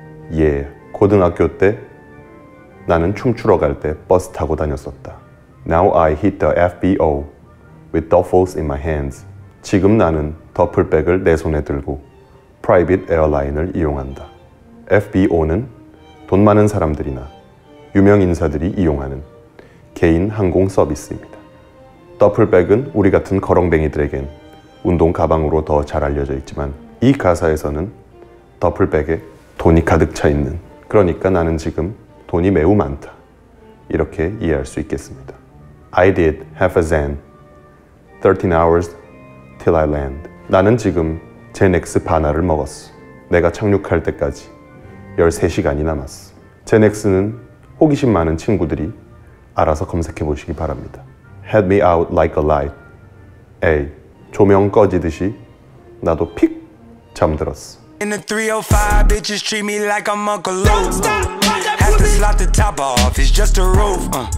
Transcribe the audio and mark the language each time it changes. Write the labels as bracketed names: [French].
[Korean] Yeah, 고등학교 때 나는 춤추러 갈 때 버스 타고 다녔었다. [English] Now I hit the FBO with duffels in my hands. [Korean] 지금 나는 더플백을 내 손에 들고 프라이빗 에어라인을 이용한다. FBO는 돈 많은 사람들이나 유명 인사들이 이용하는 개인 항공 서비스입니다. 더플백은 우리 같은 거렁뱅이들에겐 운동 가방으로 더 잘 알려져 있지만 이 가사에서는 더플백에 돈이 가득 차 있는, 그러니까 나는 지금 돈이 매우 많다, 이렇게 이해할 수 있겠습니다. [English] I did half a Xan, 13 hours till I land. [Korean] 나는 지금 제넥스 바나를 먹었어. 내가 착륙할 때까지 13시간이 남았어. 제넥스는 호기심 많은 친구들이 알아서 검색해 보시기 바랍니다. [English] Had me out like a light. A. [Korean] 조명 꺼지듯이 나도 픽 잠들었어. [English] In the 305, bitches treat me like I'm Uncle Lou. Have to slot the top off, it's just a roof.